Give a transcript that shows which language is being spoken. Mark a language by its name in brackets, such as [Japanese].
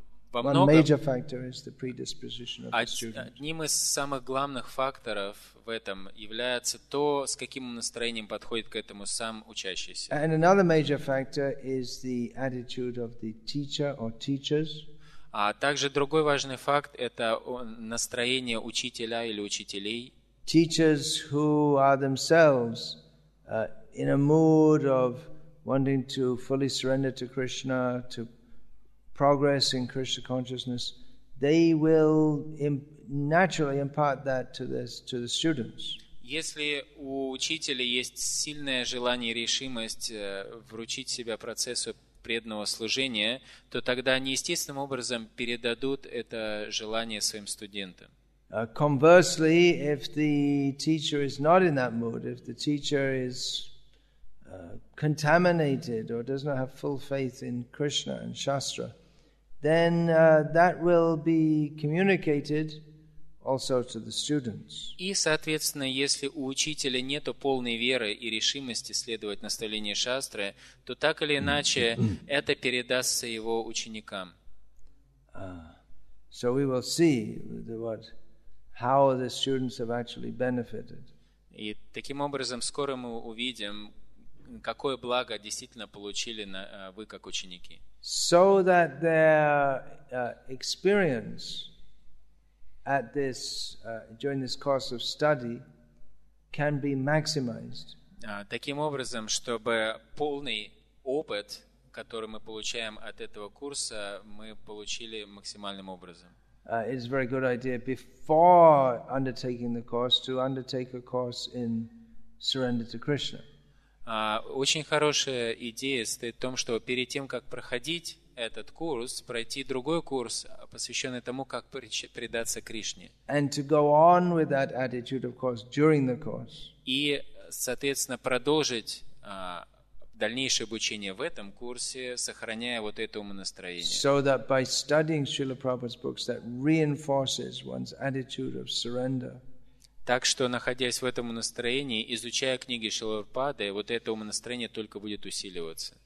[English] One major factor is the predisposition of the student. [Russian] Одним из самых главных факторов в этом является то, с каким настроением подходит к этому сам учащийся. [English] And another major factor is the attitude of the teacher or teachers. [Russian] А также другой важный факт – это настроение учителя или учителей. [English] Teachers who are themselves in a mood of wanting to fully surrender to Krishna, to progress in Krishna consciousness, they will naturally impart that to the students. [Russian] Если у учителя есть сильное желание и решимость вручить себя процессу преданного служения, то тогда они естественным образом передадут это желание своим студентам. [English] Conversely, if the teacher is not in that mood, if the teacher is contaminated or does not have full faith in Krishna and Shastra, then that will be communicated also to the students. [Russian] И, соответственно, если у учителя нету полной веры и решимости следовать наставлениям Шастры, то так или иначе это передастся его ученикам. [English] So we will see how the students have actually benefited. [Russian] И таким образом скоро мы увидим, какое благо действительно получили вы как ученики. [English] So that their experience at this during this course of study can be maximized. [Russian] Таким образом, чтобы полный опыт, который мы получаем от этого курса, мы получили максимальным образом. [English] It's a very good idea before undertaking the course to undertake a course in surrender to Krishna. [Russian] Очень хорошая идея стоит в том, что перед тем, как проходить этот курс, пройти другой курс, посвященный тому, как предаться Кришне. [English] And to go on with that attitude, of course, during the course. [Russian] И, соответственно, продолжить дальнейшее обучение в этом курсе, сохраняя вот это умонастроение. [English] So that by studying Srila Prabhupada's books, that reinforces one's attitude of surrender. [Russian] Так что, находясь в этом настроении, изучая книги Шрилы Прабхупады, вот это умонастроение только будет усиливаться.